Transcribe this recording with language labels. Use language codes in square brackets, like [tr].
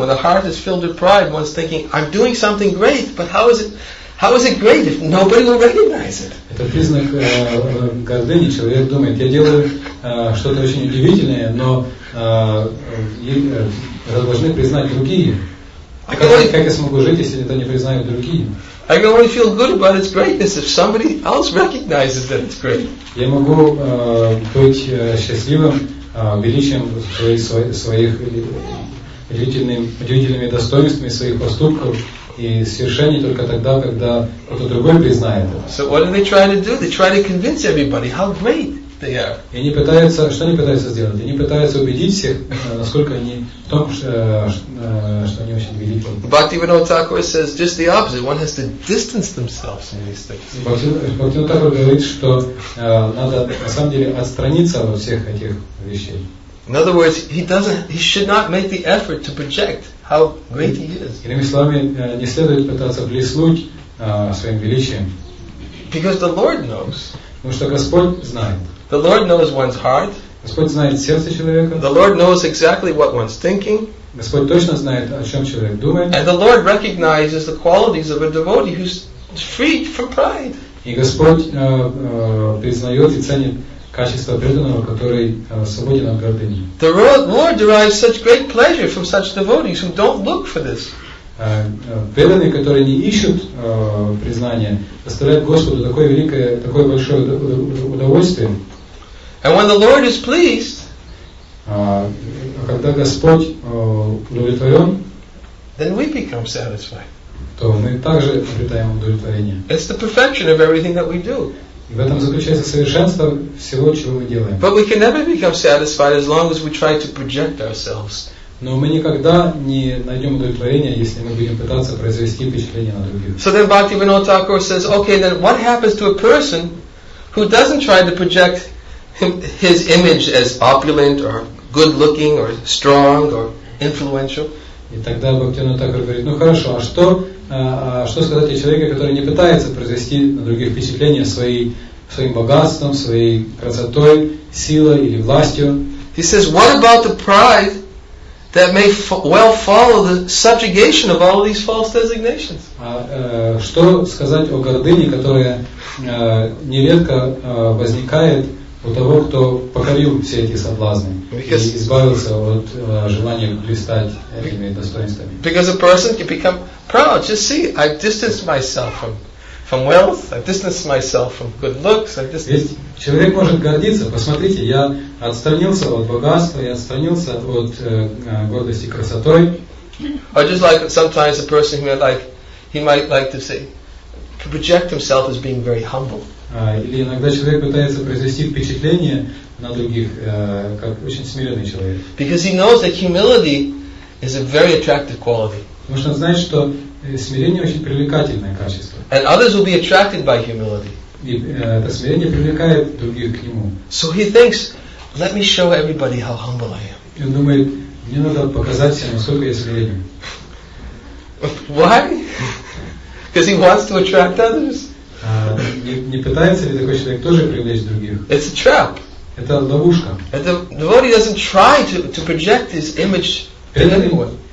[en] When the heart is filled with pride, one's thinking, I'm doing something great, but how is it great if nobody will recognize it? [ru] Это признак гордыни. Человек думает, я делаю что-то очень удивительное, но должны признать другие. Как я смогу жить, если это не признают другие? [en] I can only feel good about its greatness if somebody else recognizes that it's great. [ru] Я могу быть счастливым величием своих удивительными достоинствами своих поступков и свершений только тогда, когда кто-то другой признает это. [en] So what are they trying to do? They try to convince everybody how great they are. [ru] И они пытаются, что они пытаются сделать? Они пытаются убедить всех, насколько они в том, что они очень велики. [en] Bhaktivinoda Thakur says just the opposite. One has to distance themselves from these things. [ru] Bhaktivinoda Thakur говорит, что надо на самом деле отстраниться от всех этих вещей. [en] In other words, he should not make the effort to project how great he is. [ru] Иными словами, не следует пытаться блеснуть своим величием. [en] Because the Lord knows. [ru] Потому что Господь знает. [en] The Lord knows one's heart. [ru] Господь знает сердце человека. [en] The Lord knows exactly what one's thinking. [ru] Господь точно знает, о чем человек думает. [en] And the Lord recognizes the qualities of a devotee who's free from pride. [ru] И Господь признает и ценит качество преданного, который свободен от гордыни. [en] The Lord derives such great pleasure from such devotees who don't look for this. [ru] Преданные, которые не ищут признания, доставляют Господу такое великое, такое большое удовольствие. [en] And when the Lord is pleased, [ru] когда Господь удовлетворен, [en] then we become satisfied. [ru] То мы также обретаем удовлетворение. [en] It's the perfection of everything that we do. [ru] В этом заключается совершенство всего, чего мы делаем. [en] But we can never become satisfied as long as we try to project ourselves. [ru] Но мы никогда не найдем удовлетворения, если мы будем пытаться произвести впечатление на других. [en] So then Bhaktivinoda Thakur says, okay, then what happens to a person who doesn't try to project his image as opulent or good-looking or strong or influential? [ru] И тогда Бхактивинода Такур говорит, ну хорошо, а что, что сказать о человеке, который не пытается произвести на других впечатление своим богатством, своей красотой, силой или властью? [en] He says, what about the pride that may well follow the subjugation of all these false designations? [ru] Что сказать о гордыне, которая нередко возникает у того, кто покорил все эти соблазны [en] because, [ru] и избавился от желания блистать этими достоинствами. [en] Because a person can become proud. Just see, I've distanced myself from wealth, I've distanced myself from good looks, I've distanced... [ru] Человек может гордиться. Посмотрите, я отстранился от богатства, я отстранился от гордости красотой. [en] Or just like sometimes a person who like, he might like to say, to project himself as being very humble. [ru] Или иногда человек пытается произвести впечатление на других, как очень смиренный человек. [en] Because he knows that humility is a very attractive quality. [ru] Потому что он знает, что смирение очень привлекательное качество. [en] And others will be attracted by humility. [ru] И это смирение привлекает других к нему. [en] So he thinks, let me show everybody how humble I am. [ru] И он думает, мне надо показать всем, насколько я смиренен. [en] Why? Because he wants to attract others. [ru] Не пытается ли такой человек тоже привлечь других? [en] It's a trap. [ru] Это ловушка. [en] The devotee doesn't try to project his image in anyone.